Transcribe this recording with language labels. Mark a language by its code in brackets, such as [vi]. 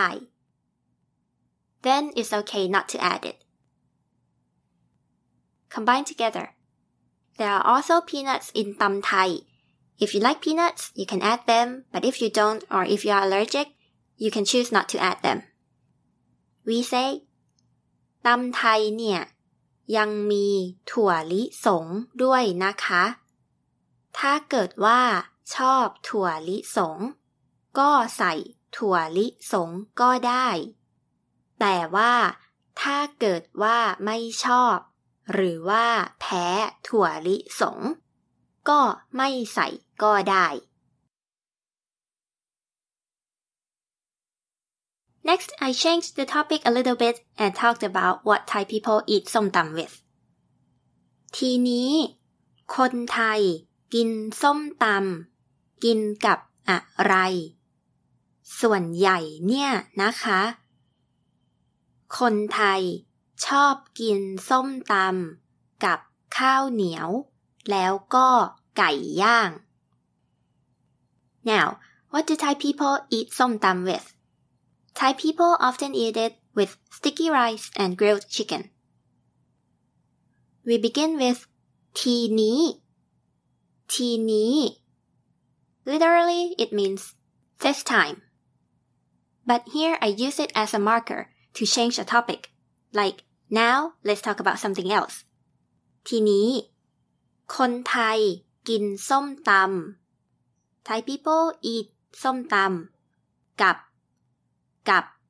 [en] Then it's okay not to add it. Combine together. There are also peanuts in tam thai. If you like peanuts, you can add them, but if you don't or if you are allergic, you can choose not to add them. We say, [th] ตำไทยเนี่ยยังมีถั่วลิสงด้วยนะคะถ้าเกิดว่าชอบถั่วลิสงก็ใส่ถั่วลิสงก็ได้แต่ว่าถ้าเกิดว่าไม่ชอบหรือว่าแพ้ถั่วลิสงก็ไม่ใส่ก็ได้ [en] Next, I changed the topic a little bit and talked about what Thai people eat som tam with. [th] ทีนี้คนไทยกินส้มตำกินกับอะไรส่วนใหญ่เนี่ยนะคะคนไทยชอบกินส้มตำกับข้าวเหนียวแล้วก็ไก่ย่าง [en] Now, what do Thai people eat som tam with? Thai people often eat it with sticky rice and grilled chicken. We begin with [th] ทีนี้ [en] Literally, it means this time. But here I use it as a marker to change a topic. Like, now let's talk about something else. [th] ทีนี้คนไทยกินส้มตำ [en] Thai people eat ส้มตำกับ